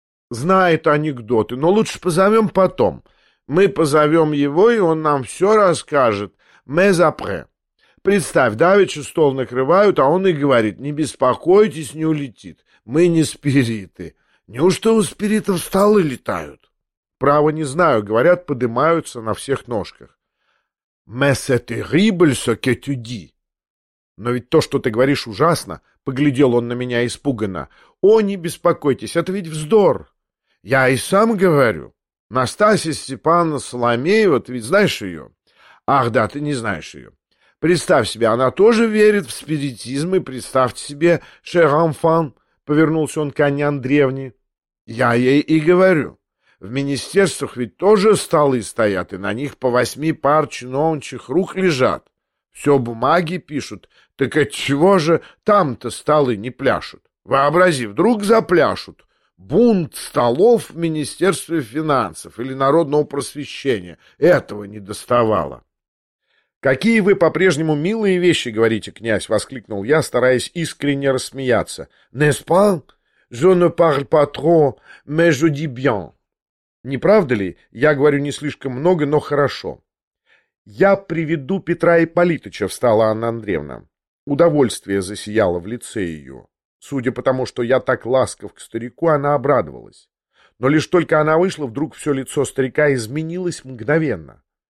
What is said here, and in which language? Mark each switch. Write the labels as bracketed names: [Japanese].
[Russian] Знает анекдоты, но лучше позовем потом. Мы позовем его, и он нам все расскажет. [French] Mais après. [Russian] Представь, давеча стол накрывают, а он и говорит, не беспокойтесь, не улетит. Мы не спириты. Неужто у спиритов столы летают? Право не знаю, говорят, подымаются на всех ножках. [French] Mais c'est terrible, ce que tu dis. [Russian] Но ведь то, что ты говоришь, ужасно. Поглядел он на меня испуганно. «О, не беспокойтесь, это ведь вздор!» «Я и сам говорю. Настасья Степановна Соломеева, ты ведь знаешь ее?» «Ах, да, ты не знаешь ее. Представь себе, она тоже верит в спиритизм, и представьте себе, [French] cher enfant, [Russian] повернулся он к Анне Андреевне. «Я ей и говорю. В министерствах ведь тоже столы стоят, и на них по 8 пар чиновничьих рук лежат. Все бумаги пишут. Так отчего же там-то столы не пляшут? Вообрази, вдруг запляшут. Бунт столов в Министерстве финансов или народного просвещения. Этого не доставало. «Какие вы по-прежнему милые вещи говорите, князь!» — воскликнул я, стараясь искренне рассмеяться. [French] «N'est-ce pas? Je ne parle pas trop, mais je dis bien». [Russian] «Не правда ли? Я говорю не слишком много, но хорошо». «Я приведу Петра Ипполитыча», — встала Анна Андреевна. Удовольствие засияло в лице ее. Судя по тому, что я так ласков к старику, она обрадовалась. Но лишь только она вышла, вдруг все лицо старика изменилось мгновенно.